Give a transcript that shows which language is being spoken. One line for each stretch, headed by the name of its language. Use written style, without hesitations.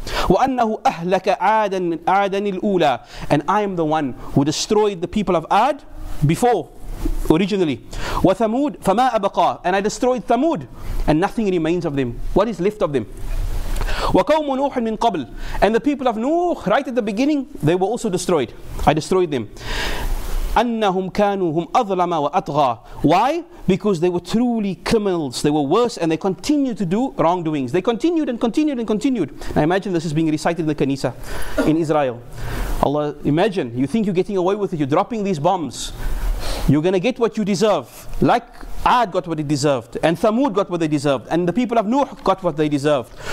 Arabic: وَأَنَّهُ أَهْلَكَ عَادًا الْأُولَى,
English: and I am the one who destroyed the people of Ad before, originally.
Arabic: وَثَمُود فَمَا أَبَقَى,
English: and I destroyed Thamud, and nothing remains of them. What is left of them?
Arabic: وقوم نوح من قبل,
English: and the people of Nuh, right at the beginning, they were also destroyed. I destroyed them.
Arabic: أنهم كانوا هم أظلم وأطغى.
English: Why? Because they were truly criminals. They were worse, and they continued to do wrongdoings. They continued and continued and continued. Now imagine this is being recited in the Knesset in Israel. Allah, imagine, you think you're getting away with it. You're dropping these bombs. You're going to get what you deserve. Like Ad got what it deserved, and Thamud got what they deserved, and the people of Nuh got what they deserved.